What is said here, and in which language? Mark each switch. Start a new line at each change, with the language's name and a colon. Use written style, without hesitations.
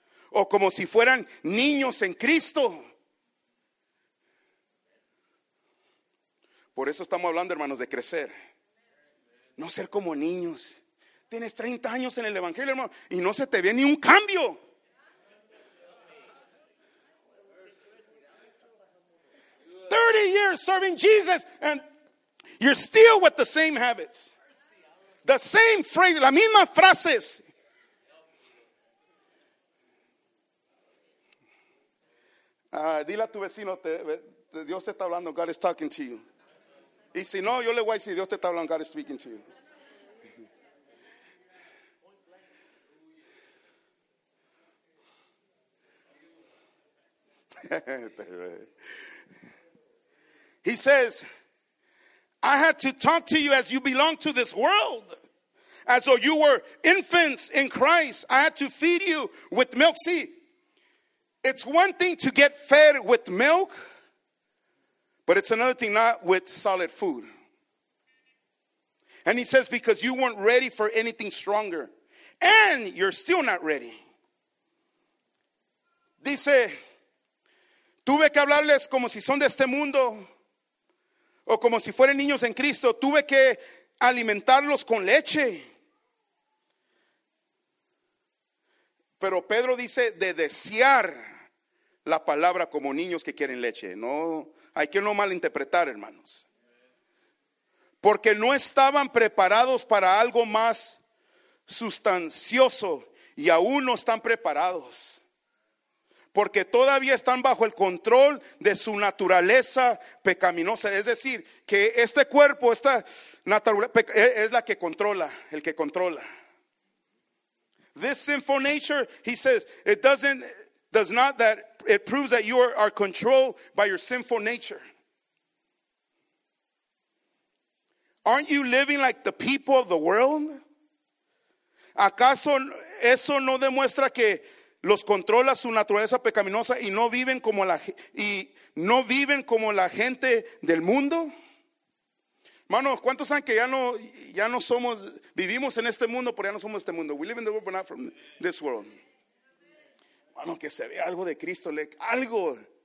Spanish: O como si fueran niños en Cristo. Por eso estamos hablando, hermanos, de crecer. No ser como niños. Tienes 30 años en el Evangelio, hermano, y no se te ve ni un cambio.
English: Years serving Jesus and you're still with the same habits, the same phrase,
Spanish: la misma frases. Dile a tu vecino, Dios te está hablando,
English: God is talking to you.
Spanish: Y si no, yo le voy a decir, Dios te está hablando,
English: God is speaking to you. He says, I had to talk to you as you belong to this world. As though you were infants in Christ. I had to feed you with milk. See, it's one thing to get fed with milk. But it's another thing not with solid food. And he says, because you weren't ready for anything stronger. And you're still not ready.
Spanish: Dice, tuve que hablarles como si son de este mundo. O como si fueran niños en Cristo, tuve que alimentarlos con leche. Pero Pedro dice de desear la palabra como niños que quieren leche. No, hay que no malinterpretar, hermanos. Porque no estaban preparados para algo más sustancioso y aún no están preparados. Porque todavía están bajo el control de su naturaleza pecaminosa. Es decir, que este cuerpo, esta naturaleza, es la que controla, el que controla.
English: This sinful nature, he says, it doesn't, does not that, it proves that you are controlled by your sinful nature. Aren't you living like the people of the world?
Spanish: ¿Acaso eso no demuestra que los controla su naturaleza pecaminosa y no viven como la gente del mundo? Hermanos, ¿cuántos saben que ya no somos, vivimos en este mundo, pero ya no somos este mundo?
English: We live in the world, but not from this world.
Spanish: Hermano, que se ve algo de Cristo, algo.